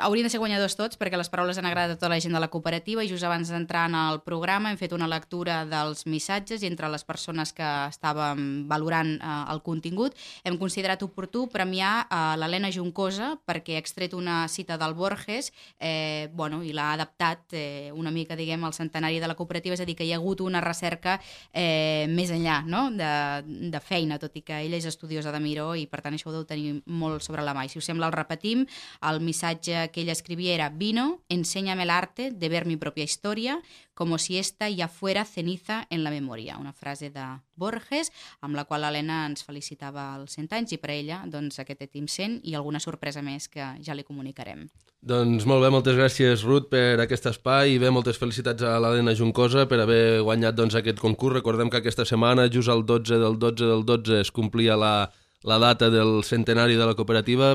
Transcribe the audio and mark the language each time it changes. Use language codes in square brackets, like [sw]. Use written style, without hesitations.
[ca] Haurien de ser guanyadors tots, perquè les paraules han agradat a tota la gent de la cooperativa i just abans d'entrar en el programa hem fet una lectura dels missatges i entre les persones que estàvem valorant el contingut hem considerat oportú premiar l'Helena Juncosa perquè ha extret una cita del Borges bueno, i l'ha adaptat una mica, diguem, al centenari de la cooperativa, és a dir, que hi ha hagut una recerca més enllà, no? de feina, tot i que ella és estudiosa de Miró i, per tant, això ho deu tenir molt sobre la mà. I, si us sembla, el repetim. El missatge que ella escrivia era: [es] «Vino, enséñame el arte de ver mi propia historia como si esta ya fuera ceniza en la memoria». [ca] Una frase de Borges, amb la qual l'Helena ens felicitava els 100 anys i per ella doncs, aquest Team 100 i alguna sorpresa més que ja li comunicarem. Doncs molt bé, moltes gràcies, Ruth, per aquest espai i bé, moltes felicitats a l'Helena Juncosa per haver guanyat doncs, aquest concurs. Recordem que aquesta setmana, just el 12 del 12 del 12, es complia la data del centenari de la cooperativa.